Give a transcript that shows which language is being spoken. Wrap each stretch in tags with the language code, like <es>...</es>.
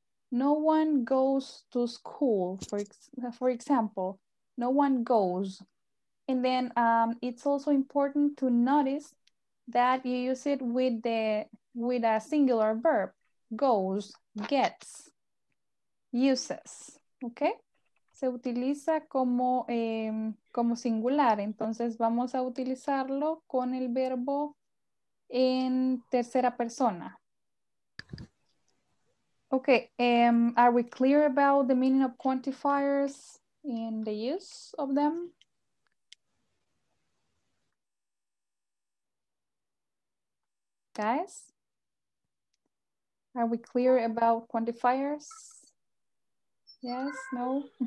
<en>No one goes to school, for example. No one goes. And then it's also important to notice that you use it with a singular verb. Goes, gets, uses, okay?</en> <es>Se utiliza como, como singular, entonces vamos a utilizarlo con el verbo en tercera persona.</es> <en>Okay, are we clear about the meaning of quantifiers and the use of them? Guys, are we clear about quantifiers? Yes, no?</en>